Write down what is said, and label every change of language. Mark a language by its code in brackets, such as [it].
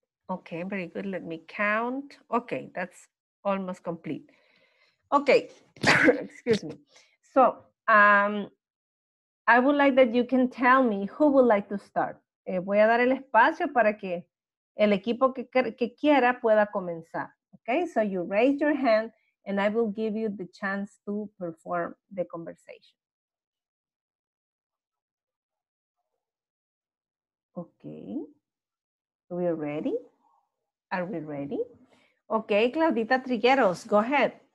[en] Okay, very good. Let me count. Okay, that's almost complete. Okay, excuse me. So, I would like that you can tell me who would like to start. [es] Voy a dar el espacio para que el equipo que quiera pueda comenzar. [en] Okay, so you raise your hand and I will give you the chance to perform the conversation. Okay, are we ready? Are we ready? Okay, Claudita Trigueros, go ahead.